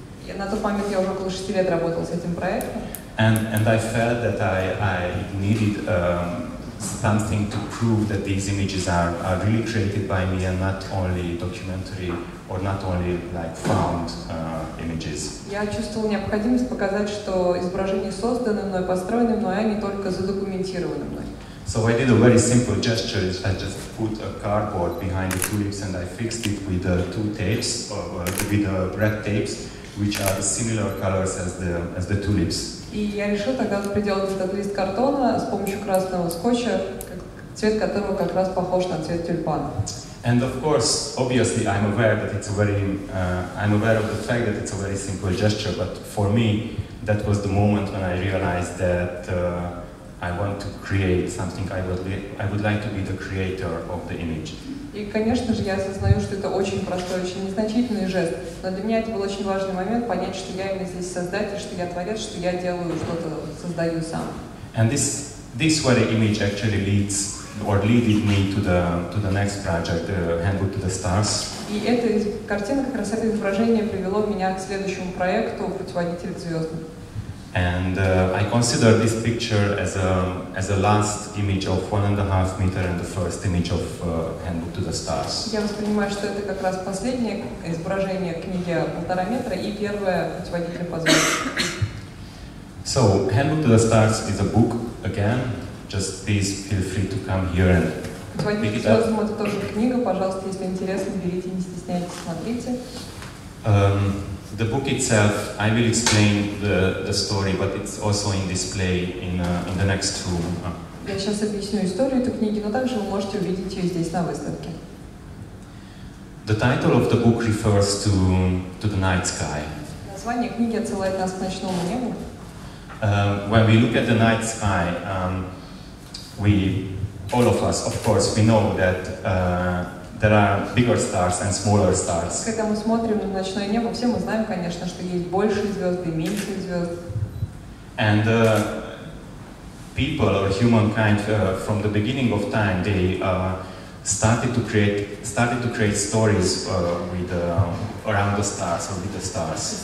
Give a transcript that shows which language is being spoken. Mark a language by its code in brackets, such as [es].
[ru] Я на тот момент я уже около 6 лет работал с этим проектом. [en] And I felt that I needed something to prove that these images are really created by me and not only documentary or not only like found images. [ru] Я чувствовал необходимость показать, что изображения созданы мной, построены мной, а не только задокументированы мной. [en] So I did a very simple gesture. I just put a cardboard behind the tulips and I fixed it with two tapes, with red tapes, which are similar colors as the tulips. [ru] И я решил тогда приделать этот лист картона с помощью красного скотча, цвет которого как раз похож на цвет тюльпана. [en] And of course, obviously, I'm aware that it's a very, I'm aware of the fact that it's a very simple gesture. But for me, that was the moment when I realized that. I want to create something. I would like to be the creator of the image. [ru] И, конечно же, я осознаю, что это очень простой, очень незначительный жест. Но для меня это был очень важный момент понять, что я именно здесь создатель, что я творец, что я делаю что-то, создаю сам. [en] And this This very image actually leads or leaded me to the next project, Handbook to the Stars. [ru] И эта картина, как раз это изображение, привело меня к следующему проекту «Путеводитель к звездам». [en] And I consider this picture as a last image of 1.5 meters and the first image of Handbook to the Stars. [ru] Я воспринимаю, что это как раз последнее изображение книги 1.5 метра и первое «Путеводитель по звездам». [en] So, Handbook to the Stars is a book, again, just please feel free to come here and pick it up. [ru] Это тоже книга, пожалуйста, если интересно, берите, не стесняйтесь, смотрите. [en] The book itself, I will explain the story, but it's also in display in the next room. [ru] Я сейчас объясню историю этой книги, но также вы можете увидеть ее здесь, на выставке. [en] The title of the book refers to the night sky. [ru] Название книги отсылает нас к ночному небу. [en] When we look at the night sky, all of us, of course, we know that there are bigger stars and smaller stars. [ru] Когда мы смотрим на ночное небо, все мы знаем, конечно, что есть большие звезды, меньшие звезды. [en] And people or humankind from the beginning of time, they started to create stories around the stars or with the stars.